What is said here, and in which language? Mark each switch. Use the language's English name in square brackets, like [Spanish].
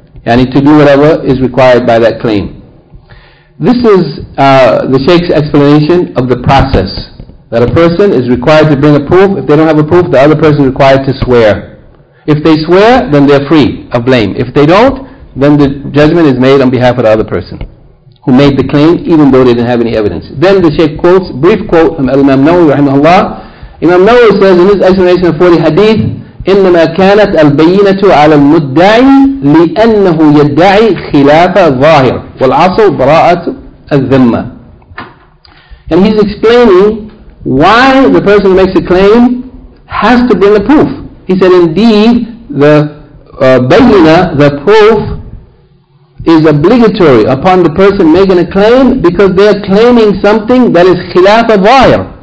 [English] Yani, to do whatever is required by that claim. This is the Sheikh's explanation of the process, that a person is required to bring a proof. If they don't have a proof, the other person is required to swear. If they swear, then they're free of blame. If they don't, then the judgment is made on behalf of the other person who made the claim, even though they didn't have any evidence. Then the Shaykh quotes, brief quote from Imam Nawawi, rahimahullah. Imam Nawawi says in his explanation of 40 hadith, [Arabic] إِنَّمَا كَانَتْ الْبَيِّنَةُ عَلَى الْمُدَّعِي لِأَنَّهُ يَدَّعِي خِلَافَ ظَاهِرٍ وَالْعَصُوا بَرَاءَةُ الذِّمَّةِ. [English] And he's explaining why the person who makes a claim has to bring a proof. He said, indeed, the bayina, the proof, is obligatory upon the person making a claim because they are claiming something that is khilaf al-vahir.